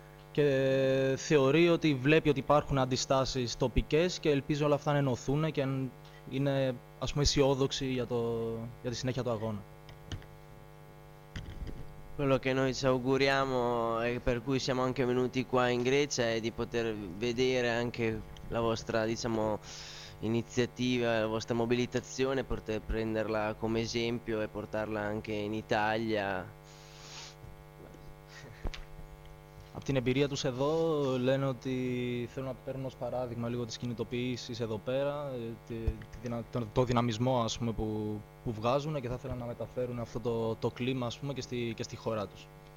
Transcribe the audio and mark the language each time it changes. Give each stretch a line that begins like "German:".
Greek: Και θεωρεί ότι βλέπει ότι υπάρχουν αντιστάσεις τοπικές και ελπίζει όλα αυτά να ενωθούν και είναι, ας πούμε, αισιόδοξη για τη συνέχεια του αγώνα.
Italian: Quello che noi ci auguriamo e per cui siamo anche venuti qua in Grecia è di poter vedere anche la vostra, diciamo, iniziativa, la vostra mobilitazione, poter prenderla come esempio e portarla anche in Italia.
Greek: Από την εμπειρία τους εδώ λένε ότι θέλουν να παίρνουν ως παράδειγμα λίγο της κινητοποίησης εδώ πέρα, το δυναμισμό, ας πούμε, που βγάζουν και θα ήθελαν να μεταφέρουν αυτό το κλίμα, ας πούμε, και στη χώρα τους.